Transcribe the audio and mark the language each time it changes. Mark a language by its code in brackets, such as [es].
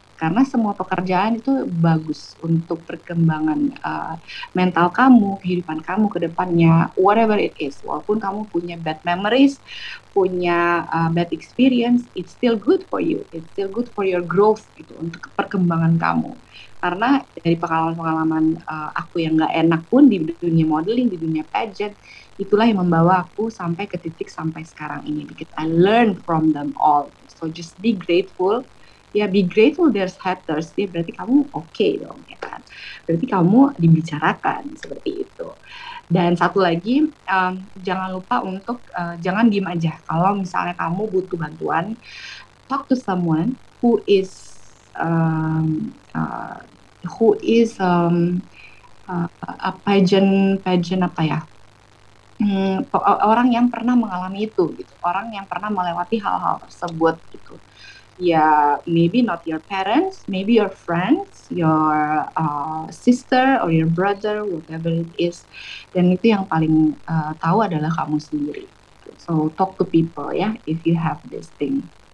[id] Karena semua pekerjaan itu bagus untuk perkembangan mental kamu, kehidupan kamu ke depannya, whatever it is. [en] Walaupun kamu punya bad memories, punya bad experience, it's still good for you. It's still good for your growth, gitu, untuk perkembangan kamu. [id] Karena dari pengalaman-pengalaman aku yang gak enak pun di dunia modeling, di dunia pageant, itulah yang membawa aku sampai ke titik sampai sekarang ini. [en] Because I learn from them all. So just be grateful. [id] Ya, be grateful there's haters. Ya, berarti kamu okay dong, ya kan? Berarti kamu dibicarakan, seperti itu. Dan satu lagi, jangan lupa untuk, jangan diem aja. Kalau misalnya kamu butuh bantuan, talk to someone who is, a pageant apa ya? Orang yang pernah mengalami itu, gitu. Orang yang pernah melewati hal-hal tersebut, gitu. [en] Ya, maybe not your parents, maybe your friends, your sister or your brother, whatever it is. [id] Dan itu yang paling tahu adalah kamu sendiri. [en] So talk to people, ya, if you have this thing.